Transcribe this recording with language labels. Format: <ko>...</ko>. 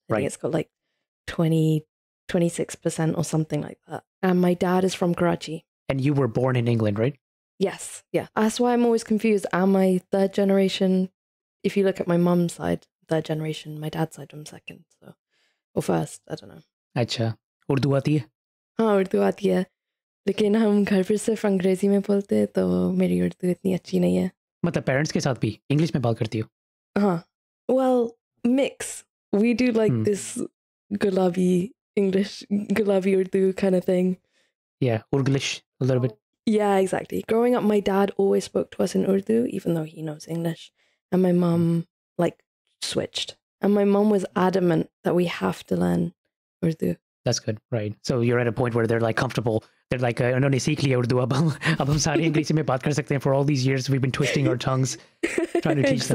<en>I think it's got like 26% or something like that. And my dad is from Karachi. And you were born in England, right? Yes. Yeah. That's why I'm always confused. Am I third generation? If you look at my mom's side, third generation, my dad's side, I'm second. So, or first, I don't know.</en> <hi>Acha. Urdu aati hai? हाँ उर्दू आती है लेकिन हम घर पर सिर्फ अंग्रेजी में बोलते हैं तो मेरी उर्दू इतनी अच्छी नहीं है मतलब पेरेंट्स के साथ भी इंग्लिश में बात करती हो</hi> <en>हाँ well mix we do like this गुलाबी English गुलाबी Urdu kind of thing yeah Urglish a little bit yeah exactly growing up my dad always spoke to us in Urdu even though he knows English And my mom like switched. And my mom was adamant that we have to learn Urdu. That's good, right? So you're at a point where they're like comfortable. They're like, "I don't speak Urdu, but I'm sorry,</en> <hi>English me baat kar sakte hain."</hi> <en>For all these years, we've been twisting our tongues trying to teach exactly.</en>